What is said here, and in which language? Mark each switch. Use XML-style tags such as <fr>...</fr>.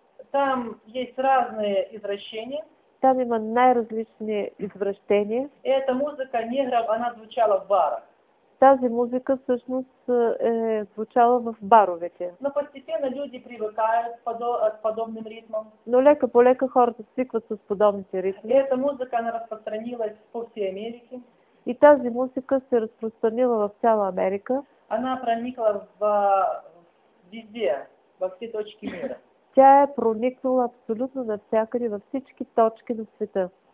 <ru>Там есть разные извращения.</ru> <bg>Там има най-различни извращения.</bg> <ru>И эта музыка негров, она звучала в барах.</ru> <bg>Тази музика всъщност е звучала в баровете.</bg> <ru>Но постепенно люди привыкают с подобным ритмом.</ru> <bg>Но лека по лека хората свикват с подобните ритми.</bg> <ru>И эта музыка она распространилась по всей Америке.</ru> <bg>И тази музика се разпространила в цяла Америка.</bg> <ru>Она проникла везде, во все точки мира.</ru> <bg>Тя е проникнала абсолютно навсякъде, във всички точки на света.</bg>